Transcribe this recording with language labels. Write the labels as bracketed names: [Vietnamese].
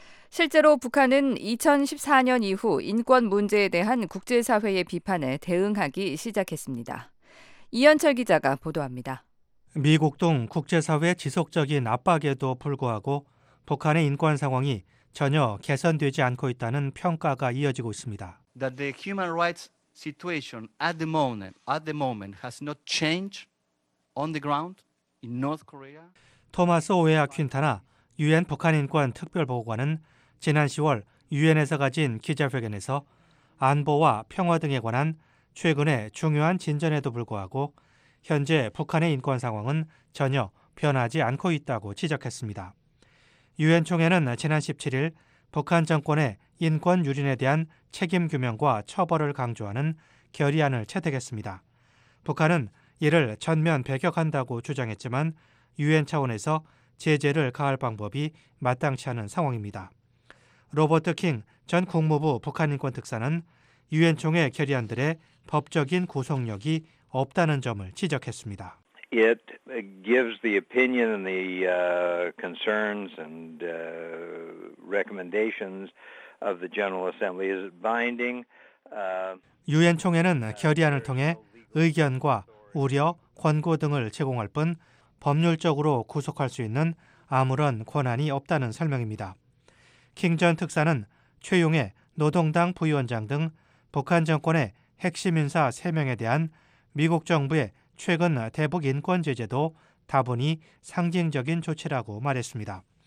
[Korean] 실제로 북한은 2014년 이후 인권 문제에 대한 국제사회의 비판에 대응하기 시작했습니다. 이현철 기자가 보도합니다. 미국 등 국제사회 지속적인 압박에도 불구하고 북한의 인권 상황이 전혀 개선되지 않고 있다는 평가가 이어지고 있습니다. [English] That the human rights situation at the moment has not changed on the ground in North Korea. [Korean] 토마스 오웨아 퀸타나 유엔 북한 인권 특별 보고관은 지난 10월 유엔에서 가진 기자회견에서 안보와 평화 등에 관한 최근의 중요한 진전에도 불구하고 현재 북한의 인권 상황은 전혀 변하지 않고 있다고 지적했습니다. 유엔 총회는 지난 17일 북한 정권의 인권 유린에 대한 책임 규명과 처벌을 강조하는 결의안을 채택했습니다. 북한은 이를 전면 배격한다고 주장했지만 유엔 차원에서 제재를 가할 방법이 마땅치 않은 상황입니다. 로버트 킹 전 국무부 북한인권특사는 유엔 총회 결의안들의 법적인 구속력이 없다는 점을 지적했습니다. [English] It gives the opinion and the concerns and recommendations of the General Assembly is binding. [Korean] 유엔 총회는 결의안을 통해 의견과 우려, 권고 등을 제공할 뿐 법률적으로 구속할 수 있는 아무런 권한이 없다는 설명입니다. 킹 전 특사는 최용해 노동당 부위원장 등 북한 정권의 핵심 인사 3명에 대한 미국 정부의 최근 대북 인권 제재도 다분히 상징적인 조치라고 말했습니다.